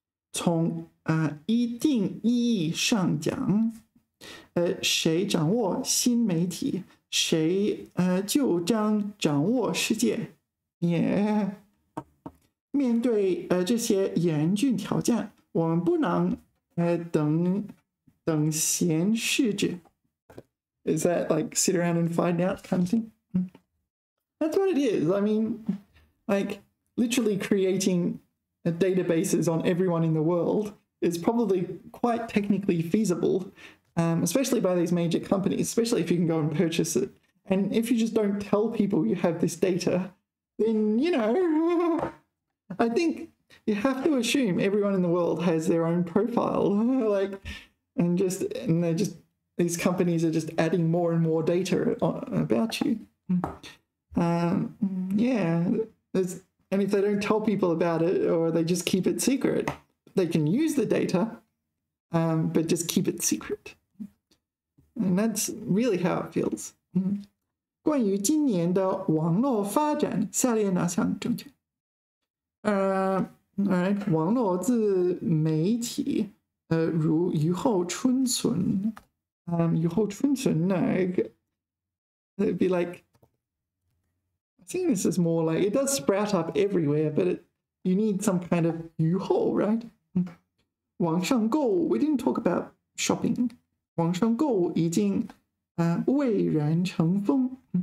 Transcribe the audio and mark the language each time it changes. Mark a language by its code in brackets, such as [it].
[zh] 从一定意义上讲，谁掌握新媒体，谁就将掌握世界。面对这些严峻挑战，我们不能等闲视之。 [en] Is that like sit around and find out kind of thing? That's what it is. I mean, like. Literally creating databases on everyone in the world is probably quite technically feasible, especially by these major companies, especially if you can go and purchase it. And if you just don't tell people you have this data, then, you know, I think you have to assume everyone in the world has their own profile. Like, these companies are just adding more and more data about you. And if they don't tell people about it, or they just keep it secret, they can use the data, but just keep it secret. And that's really how it feels. [zh] 关于今年的网络发展，下列哪项正确？网络自媒体，如雨后春笋，雨后春笋那个 [en] ，it'd be like. I think this is more like, it does sprout up everywhere, but you need some kind of [zh] 雨后, [en] right? [zh] 网上购物, [en] we didn't talk about shopping. [zh] 网上购物已经蔚然成风。